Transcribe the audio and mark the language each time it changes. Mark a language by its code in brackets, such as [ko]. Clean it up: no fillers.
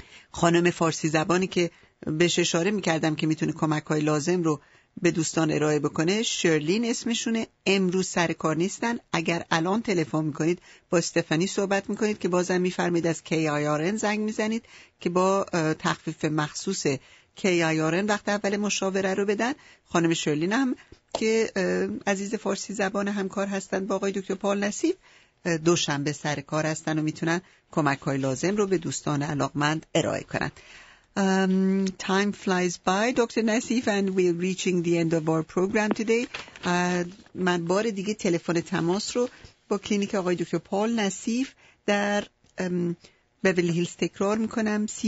[fa] خانم فارسی زبانی که بهش اشاره میکردم که میتونه کمک‌های لازم رو به دوستان ارائه بکنه شرلین اسمشونه امروز سر کار نیستن اگر الان تلفن میکنید با استفانی صحبت میکنید که بازم میفرمید از KIRN زنگ میزنید که با تخفیف مخصوص KIRN وقت اول مشاوره رو بدن خانم شرلین هم که عزیز فارسی زبان همکار هستن با آقای دکتر پال نصیب دوشنبه سر کار هستن و میتونن کمک های لازم رو به دوستان علاقمند ارائه کنن [en] time flies by, Dr. Nassif, and we're reaching the end of our program today. [fa] من بار دیگه تلفن تماس رو با کلینیک آقای دکتر پال نصیف در بیولی هیلز تکرار میکنم.